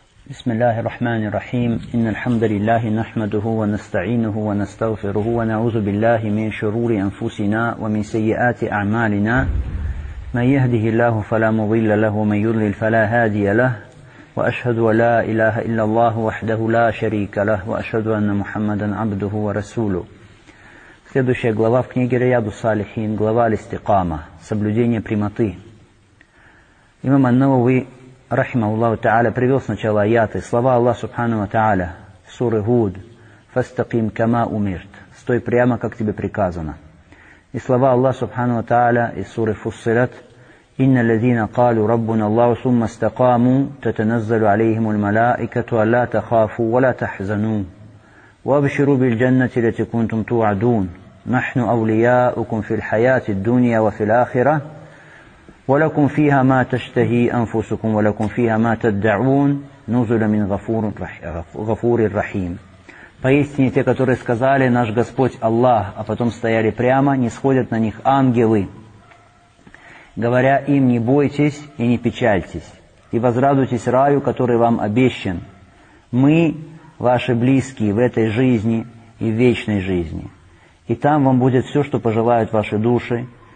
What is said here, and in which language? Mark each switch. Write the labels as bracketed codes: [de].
[ar] بسم الله الرحمن الرحيم إن الحمد لله نحمده ونستعينه ونستغفره ونعوذ بالله من شرور أنفسنا ومن سيئات أعمالنا من يهده الله فلا مضل له ومن يضلل فلا هادي له وأشهد لا إله إلا الله وحده لا شريك له وأشهد أن محمدا عبده ورسوله. [ru] Следующая глава в книге Рияду Салихин, глава Аль-Истиқама, соблюдение прямоты. Имам Ан-Науи [ar] رحمه الله تعالى [ru] привел сначала аяты, слова Аллаха Субхану ва Тааля, суры Худ, [ar] «Фастаким кама умирт» [ru] – «Стой прямо, как тебе приказано». И слова Аллаха Субхану ва Тааля из суры Фуссилят, [ar] «Инна лазина калу Раббуна Аллаху сумма стакаму, татаназзалу алейхиму лмалаикату, алла тахафу, вала тахзану, вабширу бил джаннати лати кунтум туадун, нахну аулияукум фил хаяти дунья ва фил ахира». ولكم فيها ما تشتهي أنفسكم ولكم فيها ما تدعون نزل من غفور غفور الرحيم. [ru] Поистине те, которые сказали наш Господь Аллах, а потом стояли прямо, нисходят на них ангелы, говоря им: не бойтесь и не печальтесь, и возрадуйтесь раю, который вам обещан. Мы ваши близкие в этой жизни и в вечной жизни, и там вам будет все, что пожелают ваши души.